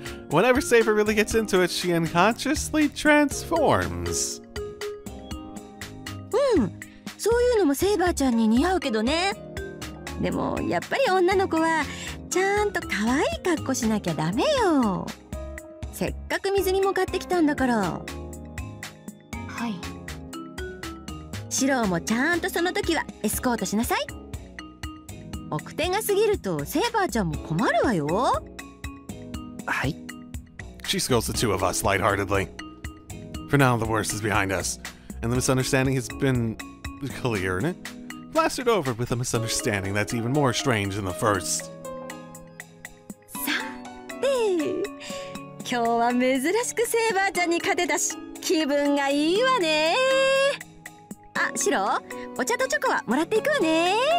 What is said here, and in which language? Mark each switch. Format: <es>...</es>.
<en>Whenever Saber really gets into it, she unconsciously transforms.</en> <ja>そういうのもセーバーちゃんに似合うけどね。でもやっぱり女の子はちゃんと可愛い格好しなきゃダメよ。せっかく水着も買ってきたんだから。はい。シロもちゃんとその時はエスコートしなさい。奥手が過ぎるとセーバーちゃんも困るわよ。はい。</ja> <en>She scolds the two of us lightheartedly. For now, the worst is behind us, and the misunderstanding has been clear, isn't it? Plastered over with a misunderstanding that's even more strange than the first.</en> <ja>さて、今日は珍しくセーバーちゃんに勝てたし、気分がいいわね。あ、シロ、お茶とチョコはもらっていくわね。</ja>